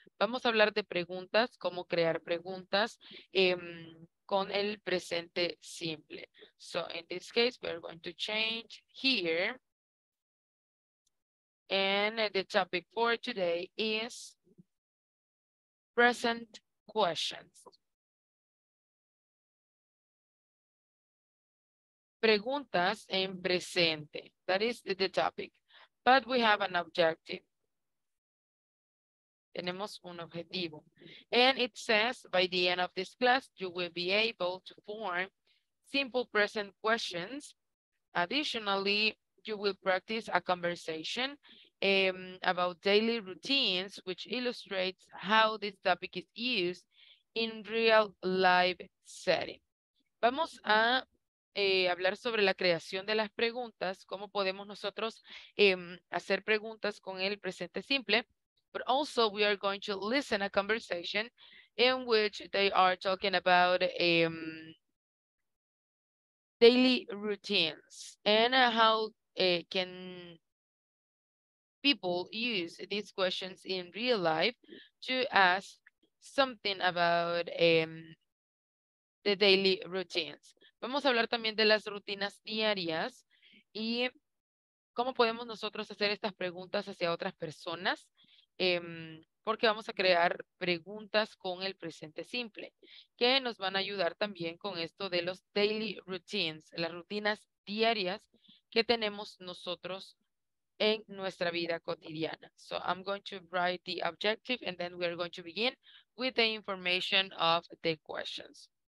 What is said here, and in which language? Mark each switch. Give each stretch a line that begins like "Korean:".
Spanish: vamos a hablar de preguntas, cómo crear preguntas con el presente simple.
English: So in this case, we're going to change here. And the topic for today is present questions.
Spanish: Preguntas en presente.
English: That is the topic. But we have an objective.
Spanish: Tenemos un objetivo.
English: And it says, by the end of this class, you will be able to form simple present questions. Additionally, you will practice a conversation about daily routines, which illustrates how this topic is used in real life setting.
Spanish: Vamos a hablar sobre la creación de las preguntas, cómo podemos nosotros hacer preguntas con el presente simple.
English: But also we are going to listen a conversation in which they are talking about daily routines and how can people use these questions in real life to ask something about the daily routines.
Spanish: Vamos a hablar también de las rutinas diarias y cómo podemos nosotros hacer estas preguntas hacia otras personas, porque vamos a crear preguntas con el presente simple que nos van a ayudar también con esto de los
English: daily routines,
Spanish: las rutinas diarias que tenemos nosotros en nuestra vida cotidiana.
English: So I'm going to write the objective and then we're going to begin with the information of the questions.